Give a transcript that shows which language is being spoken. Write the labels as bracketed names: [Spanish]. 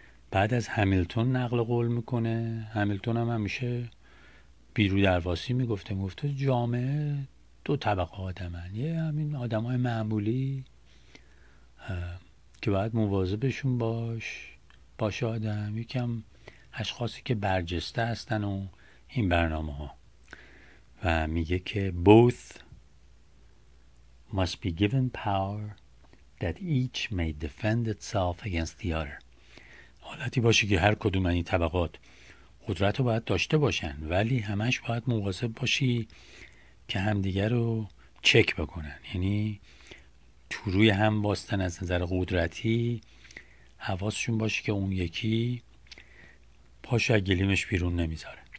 [Persian] بعد از همیلتون نقل قول میکنه. همیلتون هم همیشه بیرو درواسی میگفته، میگفته جامعه دو طبقه آدم هن. یه همین آدم های معمولی که باید مواظبشون باشه آدم، یکم اشخاصی که برجسته هستن و این برنامه ها. [English] و میگه که both must be given power that each may defend itself against the other. [Persian] حالتی باشه که هر کدوم این طبقات قدرت رو باید داشته باشن، ولی همش باید مواظب باشی که همدیگر رو چک بکنن، یعنی تو روی هم باستن از نظر قدرتی. حواسشون باشه که اون یکی پاشو از گلیمش بیرون نمیذاره.